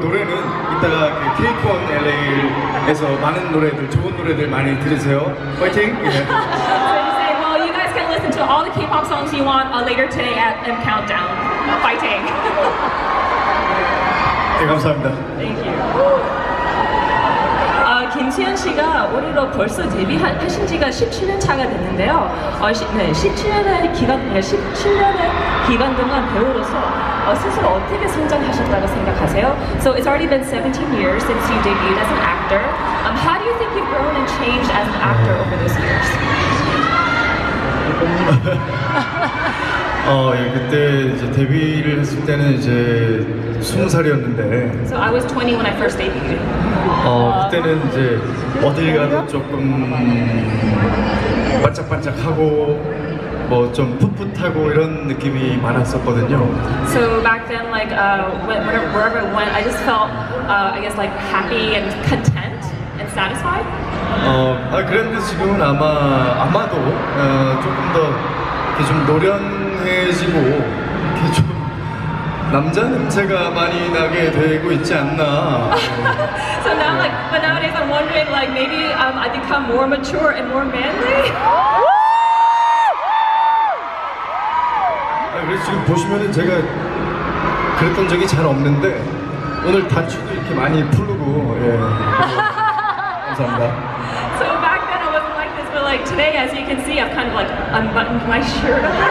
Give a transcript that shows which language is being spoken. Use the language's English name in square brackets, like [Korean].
[Korean] LA에서 많은 노래들, 좋은 노래들 많이 들으세요. 화이팅! [English] So you say, well, you guys can listen to all the K-pop songs you want later today at M Countdown. Fighting! [Korean] 네, 감사합니다. [English] Thank you. [Korean] 김지현 씨가 올해로 벌써 데뷔하신 지가 17년 차가 됐는데요. 네, 17년의 기간 동안 배우로서 스스로 어떻게 성장하셨다고 생각하세요? [English] So it's already been 17 years since you debuted as an actor. How do you think you've grown and changed as an actor over those years? [Korean] 예, 그때 이제 데뷔를 했을 때는 이제 20살이었는데 [English] So I was 20 when I first debuted. [Korean] 그때는 이제 어딜 가도 조금 반짝반짝하고 뭐 좀 풋풋하고 이런 느낌이 많았었거든요. [English] So back then, like wherever I went, I just felt, I guess, like happy and content and satisfied. [Korean] 그런데 지금은 아마도 조금 더 이렇게 좀 노련해지고 이렇게 좀 남자 냄새가 많이 나게 되고 있지 않나. [English] So now, but nowadays, I'm wondering, like maybe I become more mature and more manly. [Korean] 그래서 지금 보시면은 제가 그랬던 적이 잘 없는데 오늘 단추도 이렇게 많이 풀고 예 감사합니다. [English] So back then I wasn't like this, but like today, as you can see, I've kind of like unbuttoned my shirt.